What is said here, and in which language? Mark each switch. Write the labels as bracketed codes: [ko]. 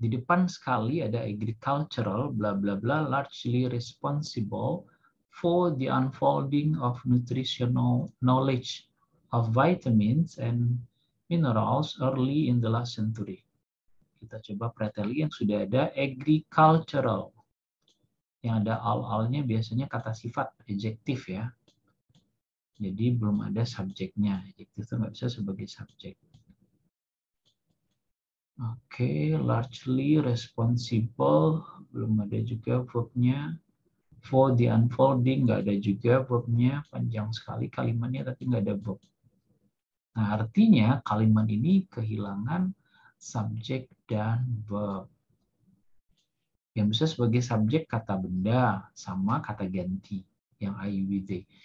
[id] Di depan sekali ada [en] agricultural bla bla bla largely responsible for the unfolding of nutritional knowledge of vitamins and minerals early in the last century. [id] Kita coba preteli yang sudah ada agricultural. Yang ada al-alnya biasanya kata sifat, adjektif ya. Jadi belum ada subjeknya. Adjektif itu nggak bisa sebagai subjek. [en] Oke, largely responsible. [id] Belum ada juga verbnya. [en] For the unfolding, [id] nggak ada juga verbnya. Panjang sekali kalimatnya, tapi nggak ada verb. Nah, artinya kalimat ini kehilangan subjek dan verb. Yang bisa sebagai subjek kata benda sama kata ganti yang I, we, they.